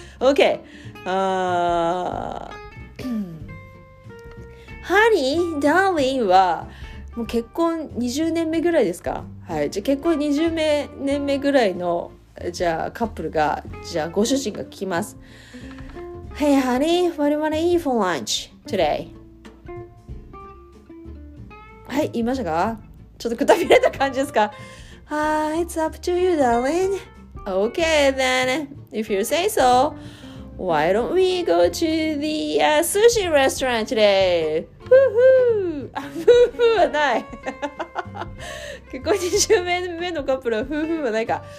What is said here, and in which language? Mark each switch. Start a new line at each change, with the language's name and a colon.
Japanese: OK。
English: Honey, darling
Japanese: は、もう結婚20年目ぐらいですか？はい。じゃ結婚20年目ぐらいの、じゃカップルが、じゃご主人が聞きます。
English: Hey, honey, what do you want to eat for lunch today?
Japanese: はい、言いましたか？ちょっとくたびれた感じですか？
English: It's up to you, darling. Okay, then, if you say so, why don't we go to the、sushi restaurant today? Woohoo! Woohoo!
Japanese: 結婚20年目のカップル夫婦はないか。